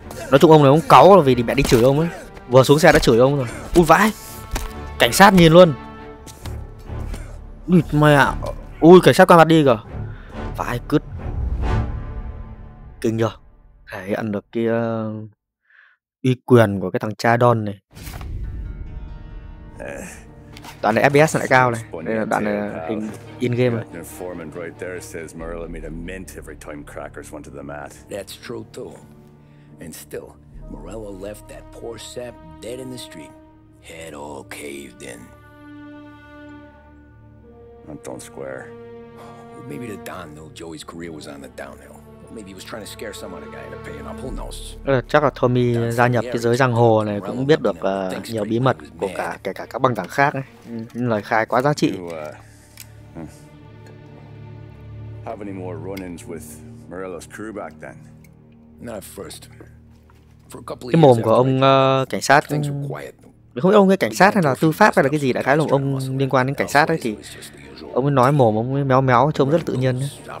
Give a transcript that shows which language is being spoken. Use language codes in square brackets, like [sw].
[vi] Nói chung ông này ông cáu là vì đi mẹ đi chửi ông ấy. Vừa xuống xe đã chửi ông rồi. Ui vãi. Cảnh sát nhìn luôn. Ui mày ạ. Ui cảnh sát qua mặt đi kìa. Vãi cứt. Kinh nhờ. Thể hiện được cái uy quyền của cái thằng cha Don này. Đoạn này FPS lại cao này. Đây là đoạn này in game rồi. [en] Foreman right there says Morello made a mint every time crackers went to the mat. That's true too. And still, Morello left that poor sap dead in the street, head all caved in. Don't square. Well, maybe the Don knew Joey's career was on the downhill. Maybe he was trying to scare some other guy into paying up. Who knows? [vi] Chắc là Tommy gia nhập cái giới giang hồ này cũng biết được nhiều bí mật của cả kể cả các băng đảng khác ấy. Lời khai quá giá trị. [en] Have any more run-ins with Morello's crew back then? Not at first. For a couple of years. [vi] Cái mồm của ông cảnh sát cũng... không biết ông ấy cảnh sát hay là tư pháp hay là cái gì đã khái lùng ông liên quan đến cảnh sát ấy thì ông ấy nói mồm ông ấy méo méo trông rất là tự nhiên ấy.